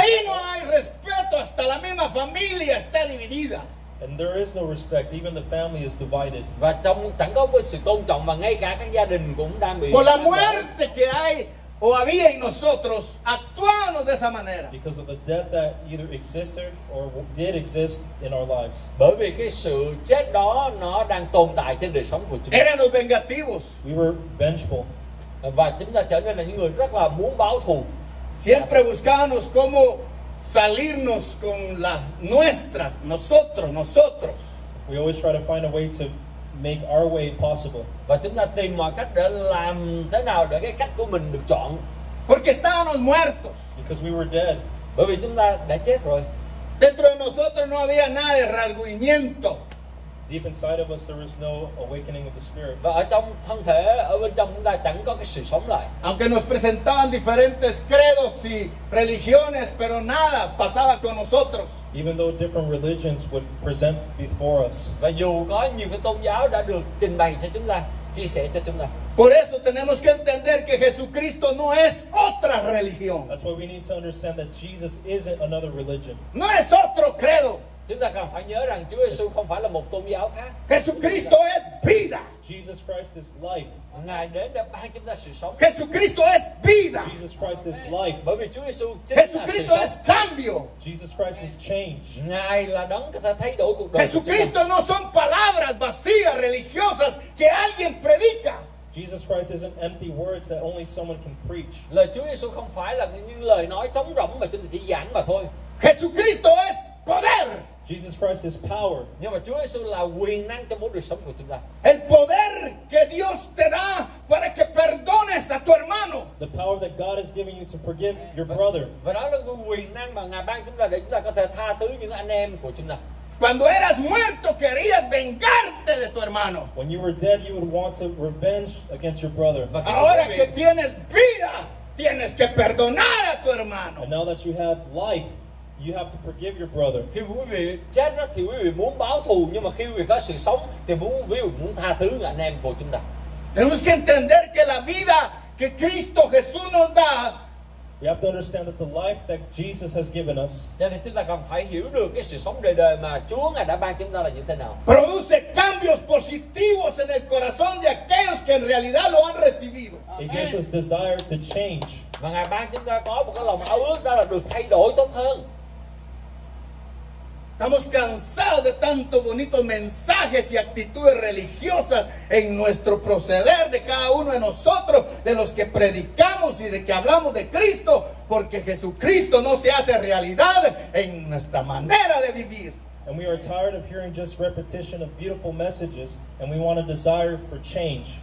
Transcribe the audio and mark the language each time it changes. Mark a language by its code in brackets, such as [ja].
[es] Ahí no hay respeto, hasta la misma familia está dividida. [en] And there is no respect, even the family is divided. [vi] Và trong chẳng có một sự tôn trọng mà ngay cả các gia đình cũng đang bị. [es] Por la muerte que hay. O había en nosotros actuando de esa manera. [en] Because of the death that either existed or did exist in our lives. [vi] Bởi vì cái sự chết đó nó đang tồn tại trên đời sống của chúng ta. [es] Éramos vengativos. [en] We were vengeful. [vi] Và chúng ta trở nên là những người rất là muốn báo thù. [es] Siempre buscábamos cómo salirnos con la nuestra, nosotros. [en] We always try to find a way to make our way possible. [vi] Và chúng ta tìm mọi cách để làm thế nào để cái cách của mình được chọn. [es] Porque estábamos muertos. [en] Because we were dead. [vi] Bởi vì chúng ta đã chết rồi. [es] Dentro de nosotros no había nada de rasguñamiento. [en] Deep inside of us there was no awakening of the spirit. [vi] Và ở trong thân thể, ở bên trong chúng ta chẳng có cái sự sống lại. [es] Aunque nos presentaban diferentes credos y religiones, pero nada pasaba con nosotros. [en] Even though different religions would present before us. [vi] Và dù có nhiều cái tôn giáo đã được trình bày cho chúng ta, chia sẻ cho chúng ta. [es] Por eso tenemos que entender que Jesucristo no es otra religión. [en] That's why we need to understand that Jesus isn't another religion. [es] No es otro credo. [vi] Chúng ta cần phải nhớ rằng Chúa Jesus không phải là một tôn giáo khác. [es] Jesucristo es vida. [en] Jesus Christ is life. [vi] Ngài đến để ban chúng ta sự sống. [es] Jesucristo es vida. [en] Jesus Christ is life. [vi] Bởi vì Chúa Jesus chính [es] Jesucristo es cambio. [en] Jesus Christ is change. [vi] Ngài là đấng có thể thay đổi cuộc đời. [es] Jesucristo no son palabras vacías religiosas que alguien predica. [en] Jesus Christ isn't empty words that only someone can preach. [vi] Lời Chúa Jesus không phải là những lời nói trống rỗng mà chúng ta chỉ giảng mà thôi. [es] Jesucristo es poder. [en] Jesus Christ is power. [vi] Nhưng mà Chúa Jesus là quyền năng trong mỗi đời sống của chúng ta. [es] El poder que Dios te da para que perdones a tu hermano. [en] The power that God has given you to forgive your brother. [vi] Và đó là quyền năng mà Ngài ban chúng ta để chúng ta có thể tha thứ những anh em của chúng ta. [es] Cuando eras muerto querías vengarte de tu hermano. [en] When you were dead, you would want to revenge against your brother. [es] Ahora que tienes vida, tienes que perdonar a tu hermano. [en] And now that you have life, you have to forgive your brother. [vi] Khi quý vị chết đó, thì quý vị muốn báo thù, nhưng mà khi quý vị có sự sống thì muốn tha thứ anh em của chúng ta. [es] Tenemos que entender que la vida que Cristo Jesús nos da. [en] We have to understand that the life that Jesus has given us. [vi] Cho nên chúng ta cần phải hiểu được cái sự sống đời đời mà Chúa ngài đã ban chúng ta là như thế nào. [es] Produce cambios positivos en el corazón de aquellos que en realidad lo han recibido. [en] It gives us desire to change. [vi] Và ngài ban chúng ta có một cái lòng ao ước đó là được thay đổi tốt hơn. [es] Estamos cansados de tantos bonitos mensajes y actitudes religiosas en nuestro proceder de cada uno de nosotros, de los que predicamos y de que hablamos de Cristo, porque Jesucristo no se hace realidad en nuestra manera de vivir. [en] And we are tired of hearing just repetition of beautiful messages, and we want a desire for change.